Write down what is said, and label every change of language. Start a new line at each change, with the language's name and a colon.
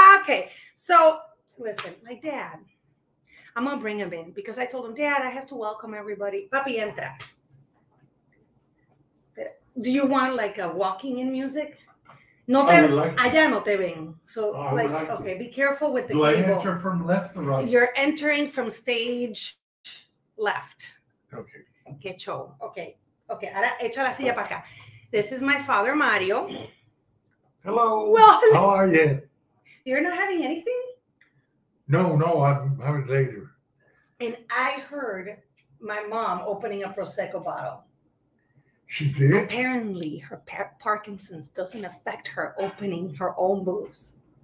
English: Okay, so listen, my dad, I'm gonna bring him in because I told him, Dad, I have to welcome everybody.
Spanish: Papi, entra.
English: Do you want like a walking in music? No, I would like
Spanish: allá no te ven.
English: So, like okay, to. Be careful with the do cable. Do I enter from left or right? You're entering from stage left. Okay.
Spanish: Que show. Okay, okay, ahora echa la silla para acá.
English: This is my father, Mario. Hello. Well, hello. How are you? You're not having anything? No, I'm having later. And I heard my mom opening a Prosecco bottle. She did? Apparently, her Parkinson's doesn't affect her opening her own booze.